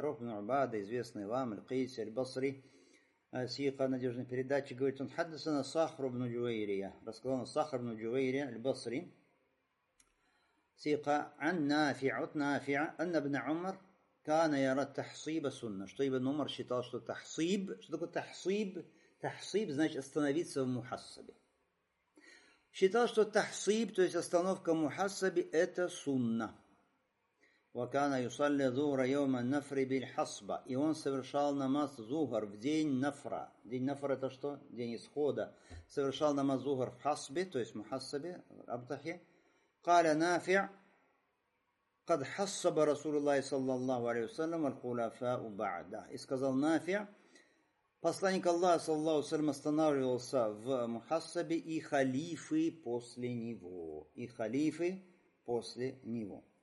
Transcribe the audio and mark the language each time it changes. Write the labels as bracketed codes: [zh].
[ru] Рух ибн Убада, известный вам, аль-Кейс, аль-Басри, сиха, надежный передатчик, говорит он, хаддасана Сахру ибн Джуэйрия, рассказал нам Сахру ибн Джуэйрия, аль-Басри, сиха, ан-Нафи', ут-Нафи', ан-Ибн Умар, [ar] كان يرى تحصيب السنة. [ru] Что Ибн Умар считал, что тахсиб, что такое тахсиб? Тахсиб значит остановиться в мухассабе. Считал, что тахсиб, то есть остановка в мухассабе, это сунна. [ar] وكان يصلي ظهر يوم النفر بالحصبة. [ru] И он совершал намаз зухр в день нафра. День нафра это что? День исхода. Совершал намаз зухр в хасбе, то есть в мухассабе, в абтахе. [ar] قال نافع قد حصب رسول الله صلى الله عليه وسلم الخلفاء بعد. [ru] И сказал Нафи, посланник Аллаха [ar] صلى الله عليه وسلم [ru] останавливался в мухассабе и халифы после него. И халифы после него.